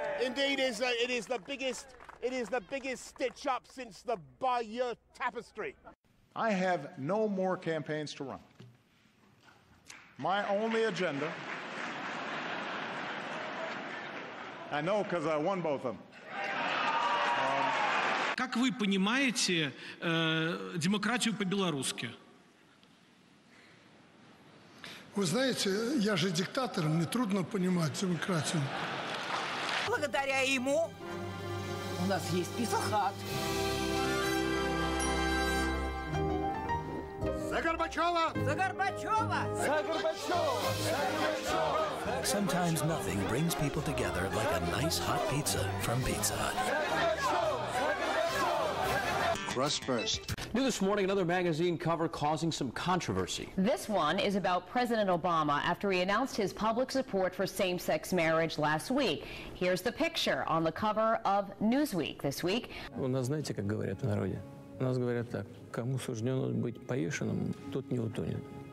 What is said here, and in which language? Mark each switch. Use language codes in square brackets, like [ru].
[en] Indeed, it is the biggest stitch-up since the Bayeux tapestry. I have no more campaigns to run. My only agenda, I know because I won both of them. [ru] Как вы понимаете демократию по-белорусски? Вы знаете, я же диктатор, мне трудно понимать демократию. Благодаря ему у нас есть писахат. За Горбачева! За Горбачева! За Горбачева! [en] Sometimes nothing brings people together like a nice hot pizza from Pizza Hut. Russ first. New this morning, another magazine cover causing some controversy. This one is about President Obama after he announced his public support for same-sex marriage last week. Here's the picture on the cover of Newsweek this week. [ru] У нас, знаете, как говорят в народе? У нас говорят так: кому суждено быть повешенным, тот не утонет.